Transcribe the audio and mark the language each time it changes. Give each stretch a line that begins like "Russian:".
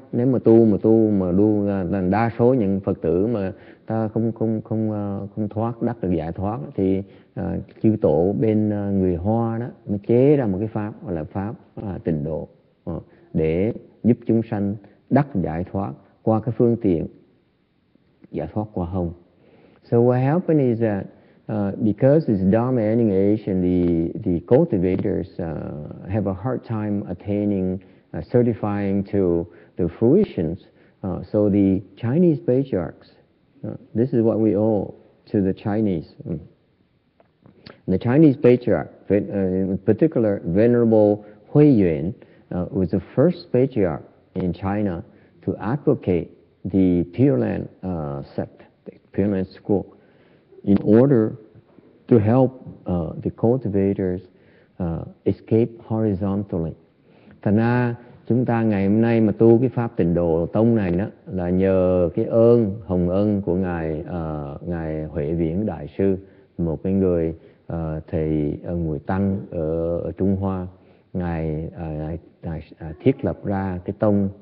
Vietnamese: Nếu mà tu là đa số những Phật tử mà ta không thoát đắc được giải thoát thì chư tổ bên người Hoa đó mới chế ra một cái pháp gọi là pháp tịnh độ để giúp chúng sanh đắc giải thoát qua cái phương tiện giải thoát qua hồng.
English: So what happened is that because it's Dharma ending age and the cultivators have a hard time attaining, certifying to the fruitions, so the Chinese patriarchs, this is what we owe to the Chinese. The Chinese patriarch, in particular Venerable Hui Yuan, was the first patriarch in China to advocate the Pure Land sect, the Pure Land school, in order to help the cultivators escape horizontally.
Vietnamese: Thành ra chúng ta ngày hôm nay mà tu cái pháp tịnh độ tông này đó là nhờ cái ơn hồng ân của ngài ngài Huệ Viễn đại sư, một cái người thầy người tăng ở Trung Hoa, ngài thiết lập ra cái tông